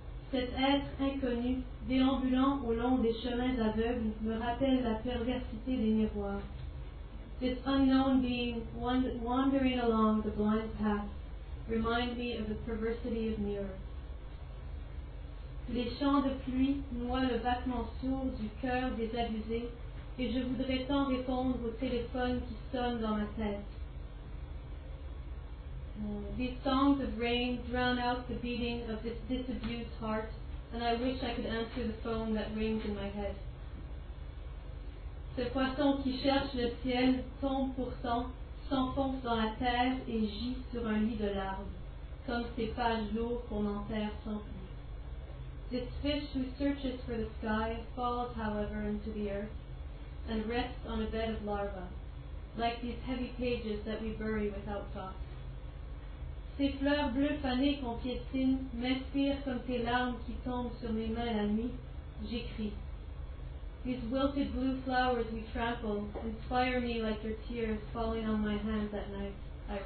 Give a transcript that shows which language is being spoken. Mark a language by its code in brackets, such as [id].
[fr] Cet être inconnu, déambulant au long des chemins aveugles, me rappelle la perversité des miroirs. [en] This unknown being wandering along the blind path reminds me of the perversity of mirrors. [fr] Les champs de pluie noient le battement sourd du cœur désabusé, et je voudrais tant répondre au téléphone qui sonne dans ma tête. [en] These songs of rain drown out the beating of this disabused heart, and I wish I could answer the phone that rings in my head. [fr] Ce poisson qui cherche le ciel tombe pourtant, s'enfonce dans la terre et gît sur un lit de larves, comme ces pages lourdes qu'on enterre sans plus. [en] This fish who searches for the sky falls, however, into the earth, and rests on a bed of larvae, like these heavy pages that we bury without thought. [fr] Ces fleurs bleues fanées qu'on piétine m'inspirent comme tes larmes qui tombent sur mes mains la nuit, j'écris. [en] These wilted blue flowers we trample inspire me like your tears falling on my hands at night, I write.